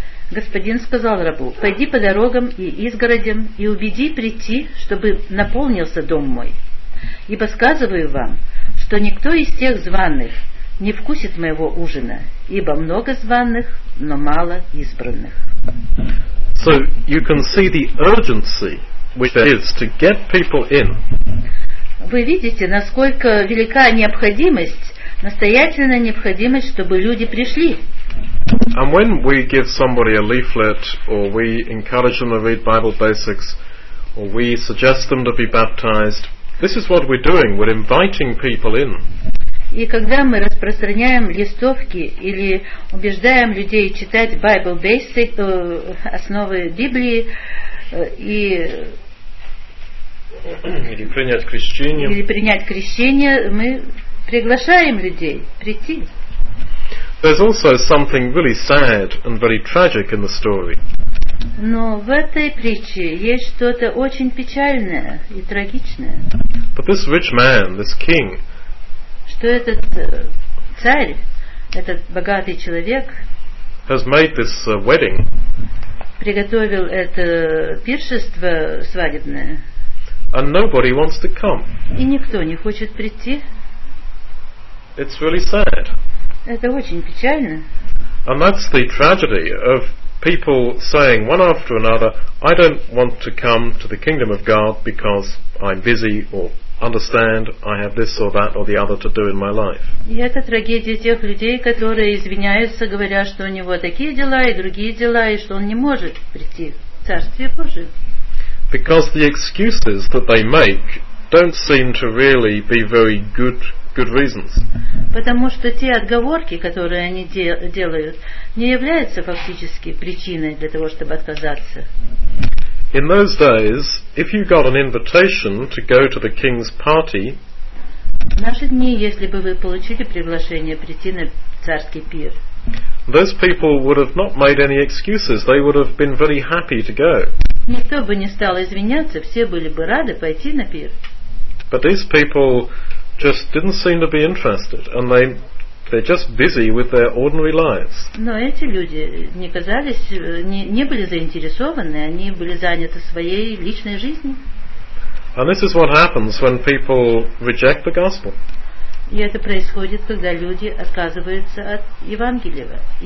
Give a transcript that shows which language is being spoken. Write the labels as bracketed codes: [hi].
[ru] Господин сказал рабу, «Пойди по дорогам и изгородям и убеди прийти, чтобы наполнился дом мой. Ибо сказываю вам, что никто из тех званых не вкусит моего ужина, ибо много званых, но мало избранных». [en] So you can see the urgency which there is to get people in. [ru] Вы видите, насколько велика необходимость, настоятельная необходимость, чтобы люди пришли. [en] And when we give somebody a leaflet, or we encourage them to read Bible basics, or we suggest them to be baptized, this is what we're doing, we're inviting people in. [ru] И когда мы распространяем листовки или убеждаем людей читать Bible basics, основы Библии, и или принять крещение, мы приглашаем людей прийти. [en] There's also something really sad and very tragic in the story. [ru] Но в этой притче есть что-то очень печальное и трагичное. [en] But this rich man, this king, [ru] что этот царь, этот богатый человек, [en] has made this wedding, [ru] приготовил это пиршество свадебное. [en] And nobody wants to come. [ru] И никто не хочет прийти. [en] It's really sad. [ru] Это очень печально. [en] And that's the tragedy of people saying one after another, I don't want to come to the kingdom of God because I'm busy or understand I have this or that or the other to do in my life. [ru] И это трагедия тех людей, которые извиняются, говоря, что у него такие дела и другие дела, и что он не может прийти в Царствие Божие. [en] Because the excuses that they make don't seem to really be very good reasons. [ru] Потому что те отговорки, которые они делают, не являются фактически причиной для того, чтобы отказаться. [en] In those days, if you got an invitation to go to the king's party, [ru] в наши дни, если бы вы получили приглашение прийти на царский пир, [en] those people would have not made any excuses. They would have been very happy to go. [ru] Никто бы не стал извиняться, все были бы рады пойти на пир. [en] But these people just didn't seem to be interested, and they're just busy with their ordinary lives. [ru] Но эти люди не казались, не были заинтересованы, они были заняты своей личной жизнью. [en] And this is what happens when people reject the gospel. [ru] И это происходит, когда люди отказываются от Евангелия.